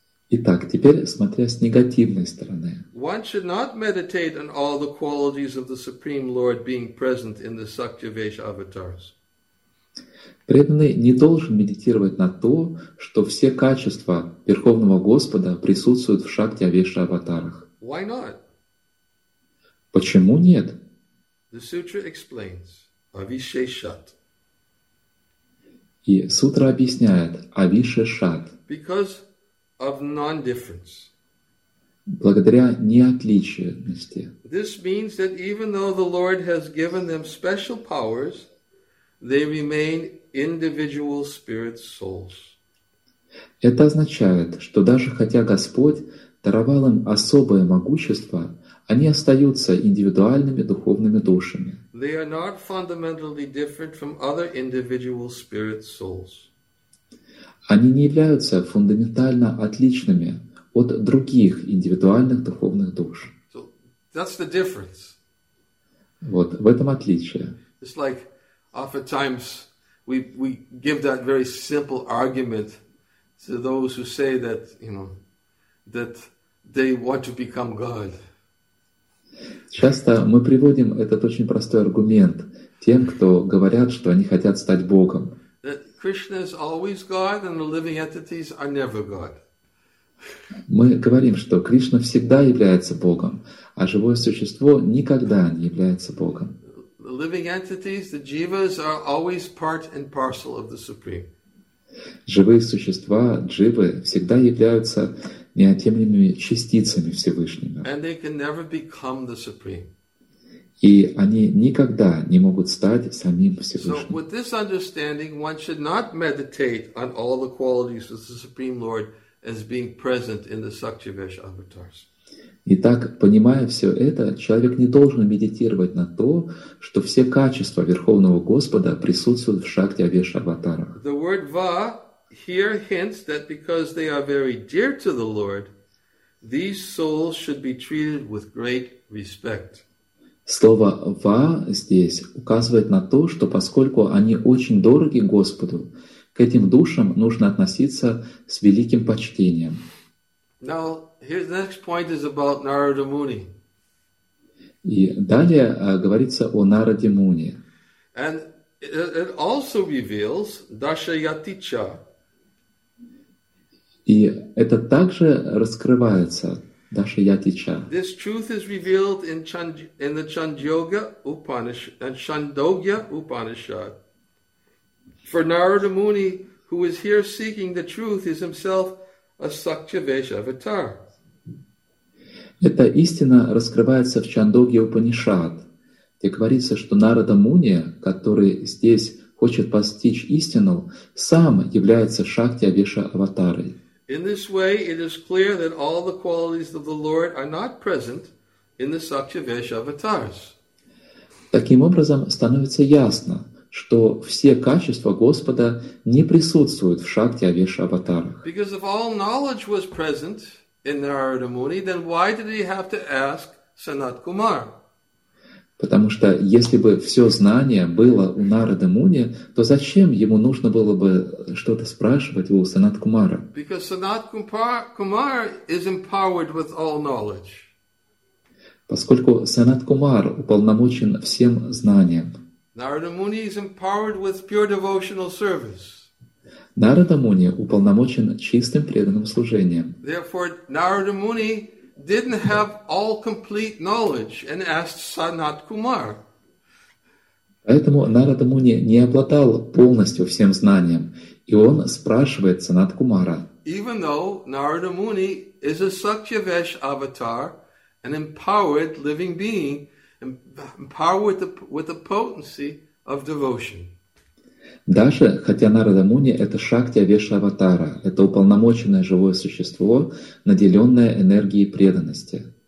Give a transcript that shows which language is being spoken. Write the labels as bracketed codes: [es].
[ru] Итак, теперь смотря с негативной стороны. [en] One should not meditate on all the qualities of the Supreme Lord being present in the Satyavesha avatars. [ru] Преданный не должен медитировать на то, что все качества Верховного Господа присутствуют в Шактивеша аватарах. [en] Why not? [ru] Почему нет? [en] The sutra explains avisheshat. [ru] И сутра объясняет avisheshat. [en] Because of non-difference. [ru] Благодаря неотличности. [en] This means that even though the Lord has given them special powers, they remain individual spirit souls. [ru] Это означает, что даже хотя Господь даровал им особое могущество, они остаются индивидуальными духовными душами. [en] They are not fundamentally different from other individual spirit souls. [ru] Они не являются фундаментально отличными от других индивидуальных духовных душ. [en] So that's the difference. [ru] Вот в этом отличие. [en] It's like oftentimes we give that very simple argument to those who say that, you know, that they want to become God. [ru] Часто мы приводим этот очень простой аргумент тем, кто говорят, что они хотят стать Богом. [en] Krishna is always God and the living entities are never God. [ru] Мы говорим, что Кришна всегда является Богом, а живое существо никогда не является Богом. [en] The living entities, the jivas, are always part and parcel of the Supreme. [ru] Живые существа, дживы, всегда являются неотъемлемыми частицами Всевышнего. [en] And they can never become the Supreme. [ru] И они никогда не могут стать самим Всевышним. [en] So with this understanding, one should not meditate on all the qualities of the Supreme Lord as being present in the Sakchivesh avatars. [ru] Итак, понимая все это, человек не должен медитировать на то, что все качества Верховного Господа присутствуют в Шактивеш аватарах. [en] The word va here hints that because they are very dear to the Lord, these souls should be treated with great respect. [ru] Слово «ва» здесь указывает на то, что поскольку они очень дороги Господу, к этим душам нужно относиться с великим почтением. [en] Now, here's the next point is about Narada Muni. [ru] И далее говорится о Нараде Муни. [en] And it also reveals Dashayaticha. [ru] И это также раскрывается. [sa] Dashayaticha. [en] This truth is revealed in the Chandogya Upanishad and Chandogya Upanishad. For Narada Muni, who is here seeking the truth, is himself a Sakchivesh avatar. [ru] Эта истина раскрывается в Чандогье Упанишад, где говорится, что Нарада Муни, который здесь хочет постичь истину, сам является Шактивеша аватарой. [en] In this way, it is clear that all the qualities of the Lord are not present in the Sakchivesh avatars. [ru] Таким образом, становится ясно, что все качества Господа не присутствуют в Шактивеш аватарах. [en] Because if all knowledge was present in Narada Muni, then why did he have to ask Sanat Kumar? [ru] Потому что если бы все знание было у Нарады Муни, то зачем ему нужно было бы что-то спрашивать у Санат Кумара? [en] Because Sanat Kumar is empowered with all knowledge. [ru] Поскольку Санат Кумар уполномочен всем знанием. [en] Narada Muni is empowered with pure devotional service. [ru] Нарада Муни уполномочен чистым преданным служением. [en] Therefore, Narada Muni didn't have all complete knowledge and asked Sanat Kumar. [ru] Поэтому Нарада Муни не обладал полностью всем знанием, и он спрашивает Санат Кумара. [en] Even though Narada Muni is a Sakchivesh avatar, an empowered living being, empowered with the potency of devotion. [ru] Даже хотя Нарада Муни — это Шактивеш аватара, это уполномоченное живое существо, наделенное энергией преданности.